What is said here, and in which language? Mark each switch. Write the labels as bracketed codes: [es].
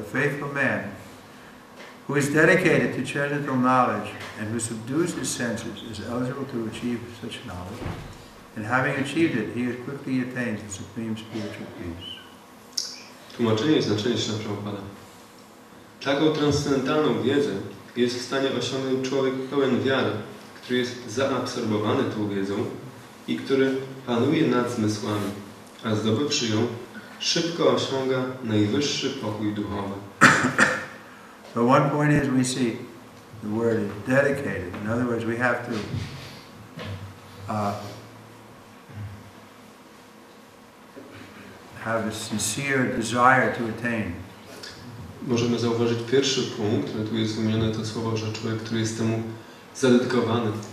[en] A faithful man who is dedicated to transcendental knowledge and who subdues his senses is eligible to achieve such knowledge. And having achieved it, he has quickly attained the supreme spiritual peace. [pl] Tłumaczenie i znaczenie Śrila Prabhupada. Taką transcendentalną wiedzę jest w stanie osiągnąć człowiek pełen wiary, który jest zaabsorbowany tą wiedzą i który panuje nad zmysłami, a zdobywszy ją, szybko osiąga najwyższy pokój duchowy. [en] So one point is we see the word is dedicated. In other words, we have to have a sincere desire to attain. [pl] Możemy zauważyć pierwszy punkt, ale tu jest wymienione to słowo, że człowiek, który jest temu zadedykowany.